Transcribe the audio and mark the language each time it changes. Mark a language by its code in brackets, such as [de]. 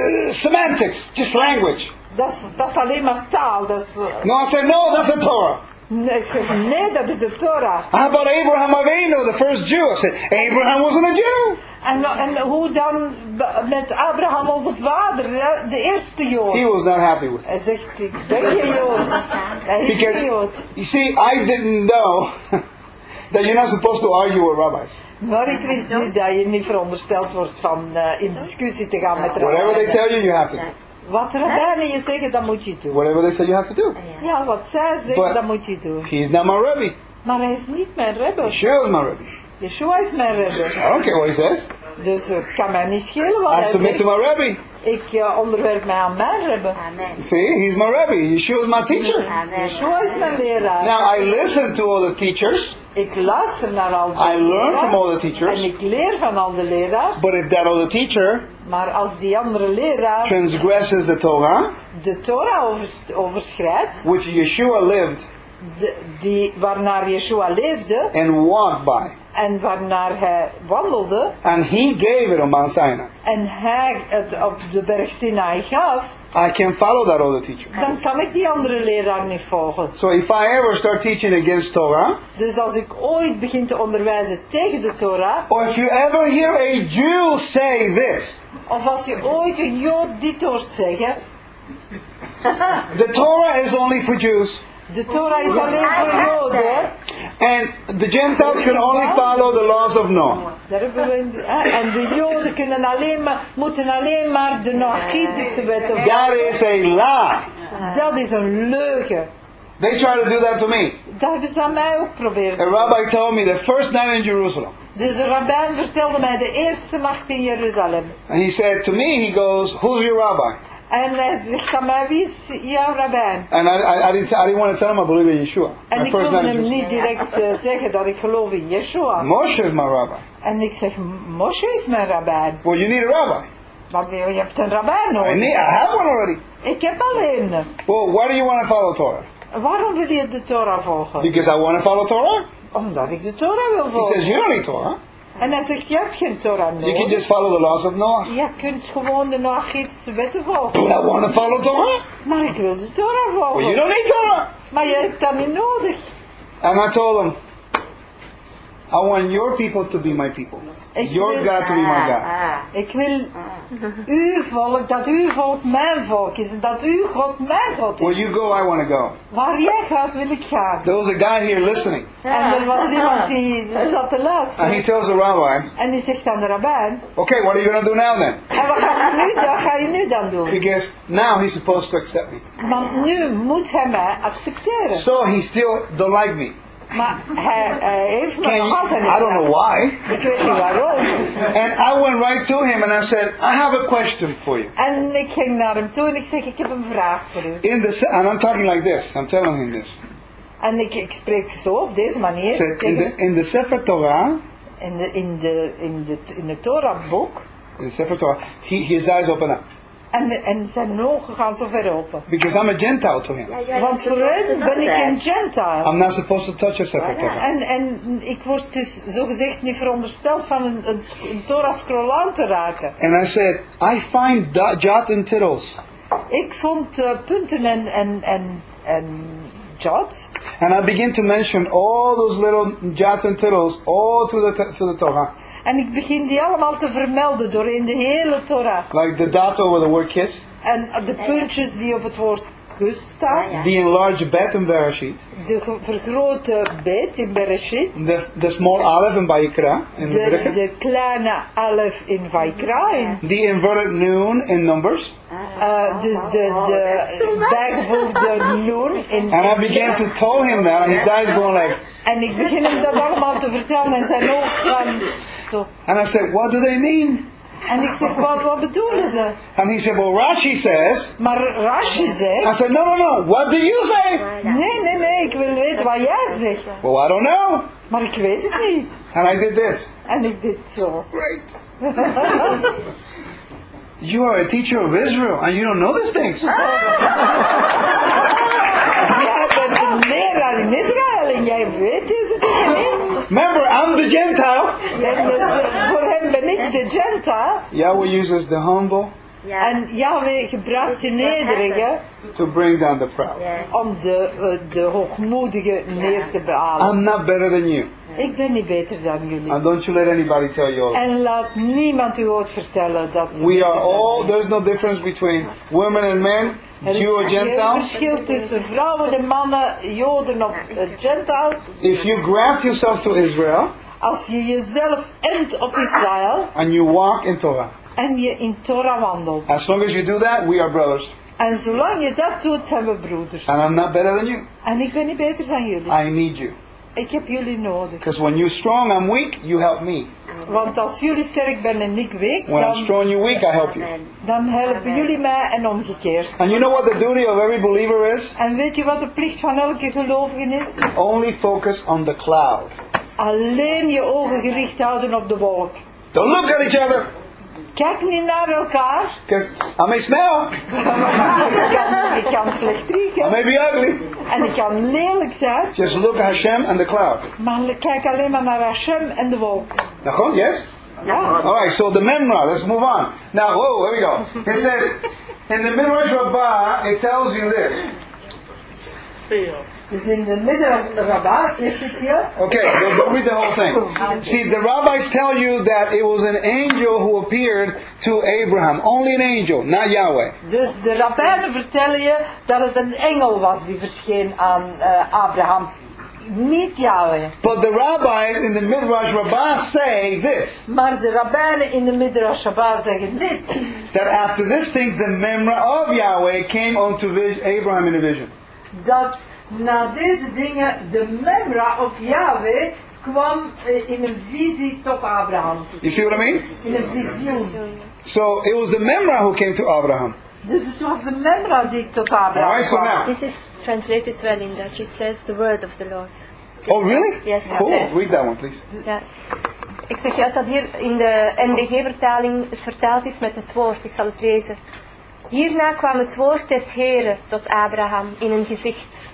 [en] Semantics, just language. [nl] Dat is alleen maar taal. Dat's... [en] No, I said, no, that's a Torah. [nl] Nee, ik zeg, nee, dat is de Torah. [en] How about Abraham Avinu, the first Jew? I said, Abraham wasn't a Jew. [nl] En hoe dan met Abraham onze vader, de eerste Jood? [en] He was not happy with [nl] him. Hij zegt, ik ben geen Jood. Hij is geen Jood. [en] You see, I didn't know that you're not supposed to argue with rabbis. [nl] Maar ik wist niet dat je niet verondersteld wordt van in discussie te gaan met rabbis. [en] Whatever they tell you, you have to do. [nl] Wat rabbijnen je zeggen, dat moet je doen. [en] Whatever they say, you have to do. [nl] Ja, wat zij zeggen, dat moet je doen. [en] He's not my rabbi. [nl] Maar hij is niet mijn rabbi. [en] Yeshua is my rabbi. [nl] Yeshua is mijn rabbi. [en] I don't care what he says. [nl] Dus het kan mij niet schelen wat [en] I [nl] hij [en] zegt. I submit to my rabbi. [nl] Ik onderwerp mij aan mijn rabbi. [en] Amen. See, he's my rabbi. Yeshua is my teacher. Amen. [nl] Yeshua is mijn leraar. [en] Now, I listen to all the teachers. [nl] Ik luister naar al de [en] I learn from all the teachers. [nl] En ik leer van al de leraars. [en] But if that other teacher... [nl] Maar als die andere leraar... [en] Transgresses the Torah. [nl] De Torah overschrijdt. [en] Which Yeshua lived. [nl] Die waarnaar Yeshua leefde. [en] And walked by. [nl] En waarnaar hij wandelde. [en] And he gave it on Mount Sinai. [nl] En hij het op de berg Sinai gaf. [en] I can follow that other teacher. [nl] Dan kan ik die andere leraar niet volgen. [en] So if I ever start teaching against Torah. [nl] Dus als ik ooit begin te onderwijzen tegen de Torah. [en] Or if you ever hear a Jew say this. [nl] Of als je ooit een Jood dit hoort zeggen. [en] The Torah is only for Jews. [nl] De Torah is alleen voor Joden. [en] And the Gentiles can only follow the laws of Noah. [nl] En de Joden kunnen alleen maar, moeten alleen maar de Noachitische wetten [en] volgen. That is a lie. [nl] Dat is een leugen. [en] They try to do that to me. [nl] Dat hebben ze aan mij ook geprobeerd. [en] A rabbi told me the first night in Jerusalem. [nl] Dus de rabbijn vertelde mij de eerste nacht in Jeruzalem. [en] And he said to me, he goes, who's your rabbi? [nl] En hij zegt aan mij, wie is jouw rabbijn? [en] And I didn't want to tell him I believe in Yeshua. [nl] En ik wilde hem niet direct zeggen dat ik geloof in Yeshua. Moshe is mijn rabbi. En ik zeg, Moshe is mijn rabbijn. [en] Well, you need a rabbi. [nl] Want je hebt een rabbijn nodig. [en] I have one already. [nl] Ik heb al een. [en] Well, why do you want to follow Torah? [nl] Waarom wil je de Torah volgen? [en] Because I want to follow Torah. [nl] Omdat ik de Torah wil volgen. [en] He says, you don't need Torah. [nl] En hij zegt, je hebt geen Torah nodig. [en] You can just follow the laws of Noah. [nl] Je kunt gewoon de Noachitische wetten volgen. [en] But I want to follow Torah. [nl] Maar ik wil de Torah volgen. [en] Well, you don't need Torah. [nl] Maar je hebt dat niet nodig. [en] And I told him, I want your people to be my people. God to be my God. [nl] Ik wil uw volk, dat uw volk mijn volk is. Dat uw God mijn God is. [en] Where you go, I want to go. [nl] Waar jij gaat, wil ik gaan. [en] There was a guy here listening. [nl] En er was iemand die zat te luisteren. [en] And he tells the rabbi. [nl] En die zegt aan de rabbijn. [en] Okay, what are you going to do now then? [nl] En wat ga je nu dan doen? [en] Because now he's supposed to accept me. [nl] Want nu moet hij mij accepteren. [en] So he still don't like me. [nl] Maar hij heeft me nog altijd niet. [en] I don't know why. [nl] Ik weet niet waarom. [en] And I went right to him and I said, I have a question for you. [nl] En ik ging naar hem toe en ik zeg, ik heb een vraag voor u. [en] In the, and I'm talking like this, I'm telling him this. [nl] En ik spreek zo op deze manier. [en] Said, in the Sefer Torah. [nl] In de Torah boek. [en] In the Sefer Torah. His eyes open up. [nl] En zijn ogen gaan zo ver open. [en] Because I'm a Gentile to him. [nl] Want voor hem ben ik een Gentile. [en] I'm not supposed to touch a Sefer Torah. [nl] En ik word dus zo gezegd niet verondersteld van een Torah scroll aan te raken. [en] And I said, I find jot and tittles. [nl] Ik vond punten en jot. [en] And I begin to mention all those little jot and tittles all through the Torah. [nl] En ik begin die allemaal te vermelden door in de hele Torah. [en] Like the dot over the word kiss. [nl] En de puntjes die op het woord Augusta, [en] the enlarged bet in Bereshit, [nl] de vergrote bet in Bereshit, [en] the small aleph in Vayikra, in [nl] de kleine aleph in Vayikra, [en] the inverted noon in Numbers, [nl] dus de bijgevoegde noon in. [en] And I began to tell him that, and his eyes going like. [nl] En ik begin hem dat allemaal te vertellen, en zijn ogen zo. [en] And I said, what do they mean? [nl] En ik zeg, wat bedoelen ze? [en] And he said, well, Rashi says. [nl] Maar Rashi zegt. [en] I said, no, what do you say? [nl] Nee, ik wil weten wat jij zegt. [en] Well, I don't know. [nl] Maar ik weet het niet. [en] And I did this. [nl] En ik deed zo. [en] Great. You are a teacher of Israel, and you don't know these things. [nl] Jij bent een leraar in Israël, en jij weet deze dingen niet. [en] Remember, I'm the Gentile. [nl] Voor hem ben ik de Gentile. [en] Yahweh uses the humble. [nl] En Yahweh gebruikt de nederige. [en] To bring down the proud. [nl] Om de hoogmoedige neer te behalen. [en] I'm not better than you. [nl] Ik ben niet beter dan jullie. [en] And don't you let anybody tell you all. [nl] En laat niemand u ooit vertellen dat. [en] We are all. There's no difference between women and men. Jew or Gentile. [nl] Er is geen verschil tussen vrouwen en mannen, Joden of Gentiles. [en] If you graft yourself to Israel. [nl] Als je jezelf ent op Israël. [en] And you walk in Torah. [nl] En je in Torah wandelt. [en] As long as you do that, we are brothers. [nl] En zolang je dat doet, zijn we broeders. [en] And I'm not better than you. [nl] En ik ben niet beter dan jullie. [en] I need you. [nl] Ik heb jullie nodig. [en] Because when you're strong, I'm weak. You help me. [nl] Want als jullie sterk zijn en ik weak, [en] when I'm strong, you're weak. I help you. [nl] Dan helpen jullie mij en omgekeerd. [en] And you know what the duty of every believer is? [nl] En weet je wat de plicht van elke gelovige is? [en] Only focus on the cloud. [nl] Alleen je ogen gericht houden op de wolk. [en] Don't look at each other. [nl] Kijk niet naar elkaar. [en] Because I may smell. [nl] ik kan slecht rieken. [en] I may be ugly. [nl] En ik kan lelijk zijn. [en] Just look at Hashem and the cloud. [nl] Maar kijk alleen maar naar Hashem en de wolk. [en] Nachon, yes? [nl] Ja. [en] All right, so the Memra, let's move on. Now, whoa, here we go. It says, in the Midrash Rabbah, it tells you this. Is in the middle of the rabbis, is it here? Okay, don't read the whole thing. See, the rabbis tell you that it was an angel who appeared to Abraham. Only an angel, not Yahweh. [nl] Dus de rabbijnen vertellen je dat het een engel was die verscheen aan Abraham. Niet Yahweh. [en] But the rabbis in the Midrash Rabbah say this. [nl] Maar de rabbijnen in de Midrash Rabbah zeggen dit. [en] That after this thing, the memra of Yahweh came unto Abraham in a vision. [nl] Dat na deze dingen, de memra of Yahweh kwam in een visie tot Abraham. [en] You see what I mean? [nl] In een visioen. [en] So it was the memra who came to Abraham. [nl] Dus het was de memra die tot Abraham [en] kwam. Right, so now. This is translated well in Dutch. It says the word of the Lord. Oh, really? Yes. Cool. Yes. Read that one, please. Yeah. [nl] Ik zeg, als dat hier in de NBG-vertaling het vertaald is met het woord, ik zal het lezen. Hierna kwam het woord des Heren tot Abraham in een gezicht.